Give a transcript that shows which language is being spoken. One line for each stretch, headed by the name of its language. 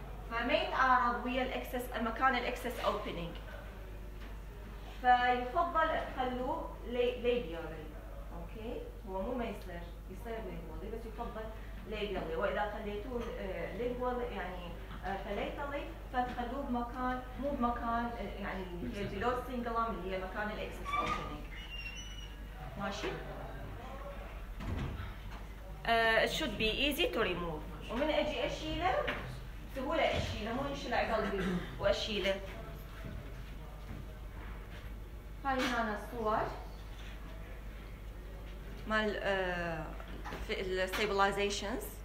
Arabic: فما يتعارض ويا الاكسس مكان الاكسس اوبننج فيفضل تخلوه ليبيالي. اوكي هو مو ميسلر يصير ليبيالي بس يفضل ليبيالي. واذا خليتوه ليبيالي يعني فليتالي فتخلوه بمكان مو بمكان يعني هي جلوس سينجلام اللي هي مكان الاكسس اوبننج.
English: ماشي should be easy to remove.
Arabic: ومن اجي اشيله سهولة أشيله مو أشيله قلبي وأشيله. هاي هنا الصور مال ال stabilizations.